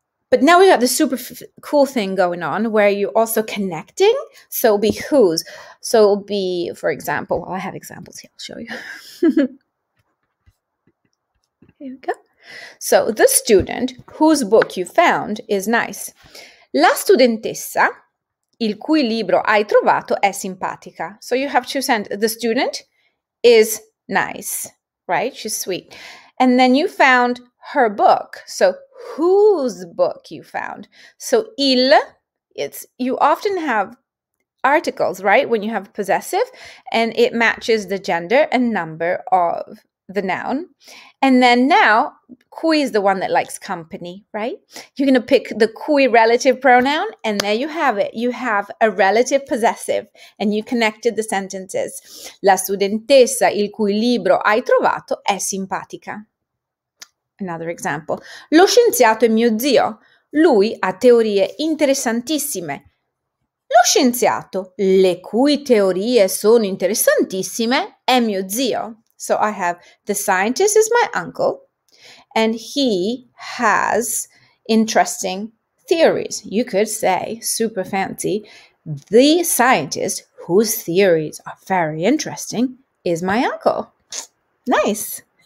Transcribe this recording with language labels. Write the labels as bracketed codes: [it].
[en] But now we got the super cool thing going on where you're also connecting. So it'll be whose. So it'll be, for example, well, I have examples here. I'll show you. Here we go. So the student whose book you found is nice. [it] La studentessa il cui libro hai trovato è simpatica. [en] So you have two sentences. The student is nice, right? She's sweet. And then you found her book. So whose book you found. So il, it's, you often have articles, right? When you have possessive and it matches the gender and number of the noun. And then now, cui is the one that likes company, right? You're going to pick the cui relative pronoun and there you have it. You have a relative possessive and you connected the sentences. [it] La studentessa il cui libro hai trovato è simpatica. [en] Another example. [it] Lo scienziato è mio zio. Lui ha teorie interessantissime. Lo scienziato, le cui teorie sono interessantissime, è mio zio. [en] So I have the scientist is my uncle and he has interesting theories. You could say, super fancy, the scientist whose theories are very interesting is my uncle. Nice.